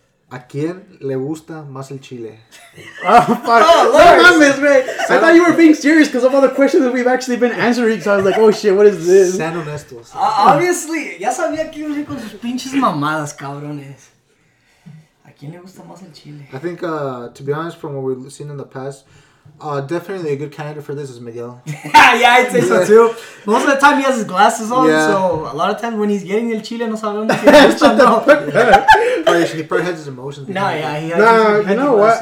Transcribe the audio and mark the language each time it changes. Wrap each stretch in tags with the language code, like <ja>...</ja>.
<es>¿A quién le gusta más el chile?</es> <en>Oh, fuck. Oh, Lord. I thought you were being serious because of all the questions that we've actually been answering. So I was like, oh, shit, what is this?</en> <es>Sean honestos. Obviously, ya sabía que iba a ir con sus pinches mamadas, cabrones. ¿A quién le gusta más el chile?</es> <en>I think, to be honest, from what we've seen in the past, definitely a good candidate for this is Miguel. Yeah, I'd say so too. Most of the time he has his glasses on, so a lot of times when he's getting el chile,</en> <es>no sabe dónde está.</es> <en>He probably has his emotions. No, you know what?</en>